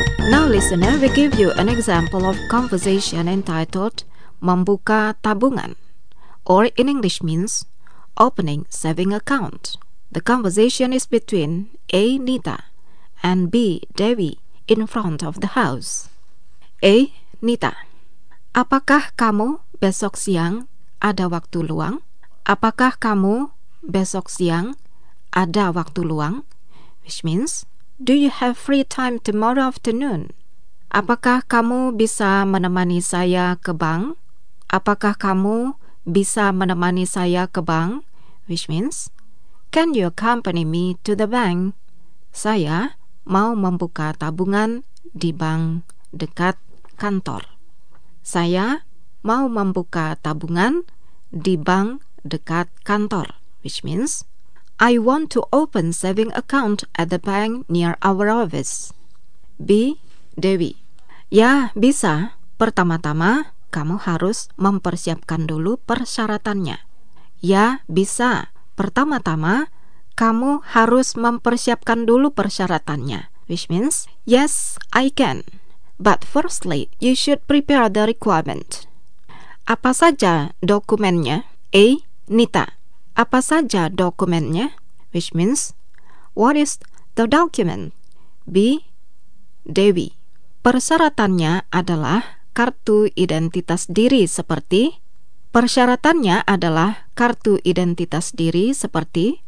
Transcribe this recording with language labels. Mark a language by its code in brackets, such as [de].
[en] Now listen. listener, we give you an example of conversation entitled [id] Membuka Tabungan, [en] or in English means opening saving account. The conversation is between A. Nita and B. Dewi in front of the house. A. [id] Nita, apakah kamu besok siang ada waktu luang? Apakah kamu besok siang ada waktu luang? [en] Which means, do you have free time tomorrow afternoon? [id] Apakah kamu bisa menemani saya ke bank? Apakah kamu bisa menemani saya ke bank? [en] Which means, can you accompany me to the bank? [id] Saya mau membuka tabungan di bank dekat kantor. Saya mau membuka tabungan di bank dekat kantor. [en] Which means, I want to open saving account at the bank near our office. [id] B. Dewi, ya bisa. Pertama-tama kamu harus mempersiapkan dulu persyaratannya. Ya bisa. Pertama-tama kamu harus mempersiapkan dulu persyaratannya. [en] Which means, yes, I can. But firstly, you should prepare the requirement. [id] Apa saja dokumennya? A. Nita, apa saja dokumennya? [en] Which means, what is the document? B. [id] Dewi, persyaratannya adalah kartu identitas diri seperti. Persyaratannya adalah kartu identitas diri seperti.